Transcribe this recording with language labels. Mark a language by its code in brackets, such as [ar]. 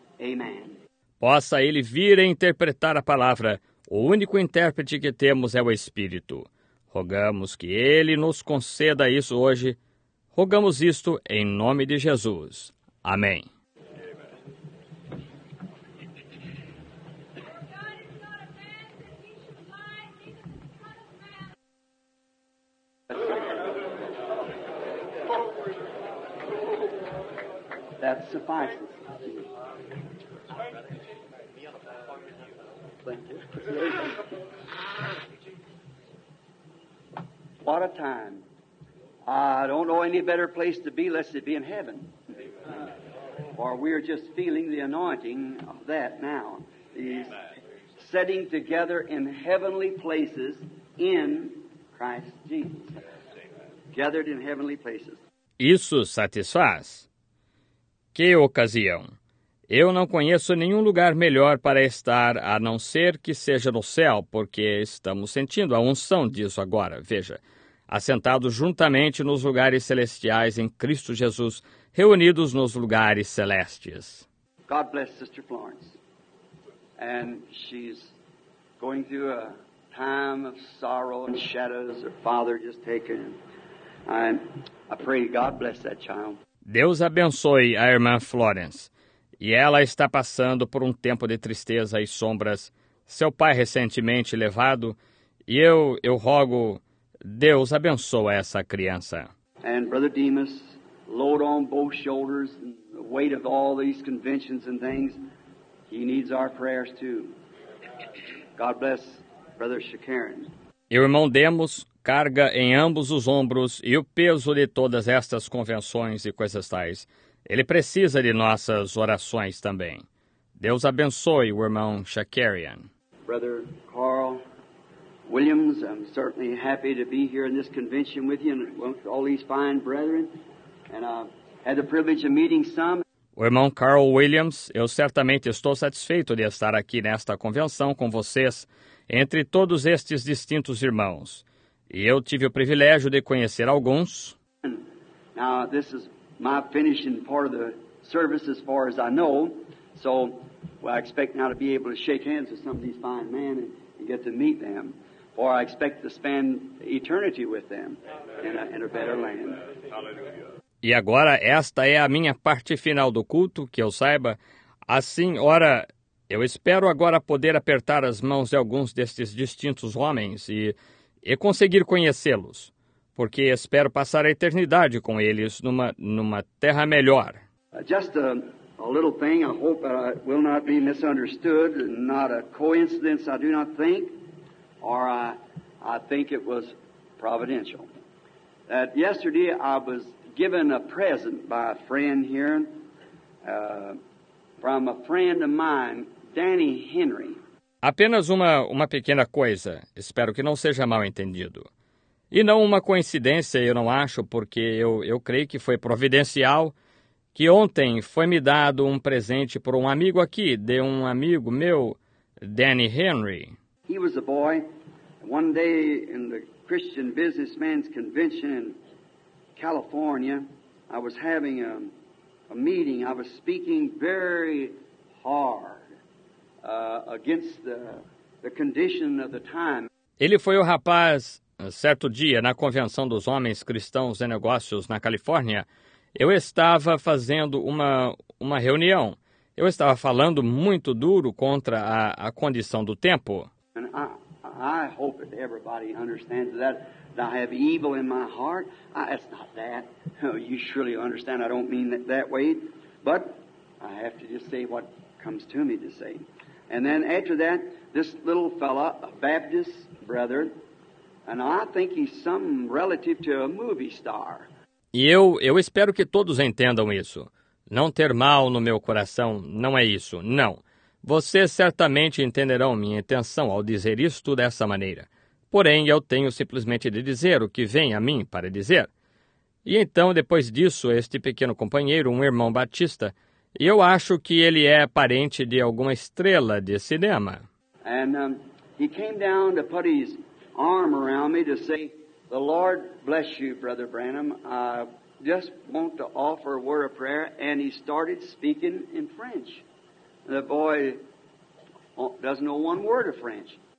[en] Amen. [pt] Possa ele vir e interpretar a palavra. O único intérprete que temos é o Espírito. Rogamos que ele nos conceda isso hoje. Rogamos isto em nome de Jesus. Amém. [en] That suffices. What a time. I don't know any better place to be unless it be in heaven. Or we are just feeling the anointing of that now. He's setting together in heavenly places in Christ Jesus. Gathered in heavenly places. [pt] Isso satisfaz. Que ocasião! Eu não conheço nenhum lugar melhor para estar, a não ser que seja no céu, porque estamos sentindo a unção disso agora, veja, assentados juntamente nos lugares celestiais em Cristo Jesus, reunidos nos lugares celestes. [en] God bless Sister Florence. And she's going through a time of sorrow and shadows, her father just taken. And I pray God bless that child. [pt] Deus abençoe a irmã Florence, e ela está passando por um tempo de tristeza e sombras, seu pai recentemente levado, e eu rogo, Deus abençoe essa criança. [en] And Brother Demas, load on both shoulders, the weight of all these conventions and things, he needs our prayers too. God bless Brother Shakaran. [pt] E o irmão Demos carga em ambos os ombros e o peso de todas estas convenções e coisas tais. Ele precisa de nossas orações também. Deus abençoe o irmão Shakarian. [en] Brother Carl Williams, I'm certainly happy to be here in this convention with you and with all these fine brethren. And I've had the privilege of meeting some. [pt] O irmão Carl Williams, eu certamente estou satisfeito de estar aqui nesta convenção com vocês, entre todos estes distintos irmãos. E eu tive o privilégio de conhecer alguns. [en] Now, this is my finishing part of the service, as far as I know. So, well, I expect now to be able to shake hands with some of these fine men and get to meet them. For I expect to spend eternity with them in a better land. [pt] E agora, esta é a minha parte final do culto, que eu saiba. Assim, ora, eu espero agora poder apertar as mãos de alguns destes distintos homens e conseguir conhecê-los, porque espero passar a eternidade com eles numa terra melhor. [en] Just a little thing, I hope that I will not be misunderstood, not a coincidence, I do not think, or I think it was providential. That yesterday I was given a present by a friend here, from a friend of mine, Danny Henry. [pt] Apenas uma pequena coisa, espero que não seja mal entendido. E não uma coincidência, eu não acho, porque eu creio que foi providencial, que ontem foi-me dado um presente por um amigo aqui, de um amigo meu, Danny Henry. [en] He was a boy, one day in the Christian Businessman's Convention in California, I was having a meeting, I was speaking very hard. Against the condition of the time. [pt] Ele foi o rapaz, certo dia, na convenção dos homens cristãos de negócios na Califórnia, eu estava fazendo uma reunião. Eu estava falando muito duro contra a condição do tempo. [en] I hope that everybody understands that I have evil in my heart. It's not that. You surely understand. I don't mean that way. But I have to just say what comes to me to say. And then after that, this little fella, a Baptist brother, and I think he's some relative to a movie star. [pt] E eu espero que todos entendam isso. Não ter mal no meu coração não é isso, não. Vocês certamente entenderão minha intenção ao dizer isto dessa maneira. Porém, eu tenho simplesmente de dizer o que vem a mim para dizer. E então, depois disso, este pequeno companheiro, um irmão batista, eu acho que ele é parente de alguma estrela de cinema. [en] And he came down to put his arm around me to say, "The Lord bless you, Brother Branham. I just want to offer a word of prayer." And he started speaking in French. The boy doesn't know one word of French.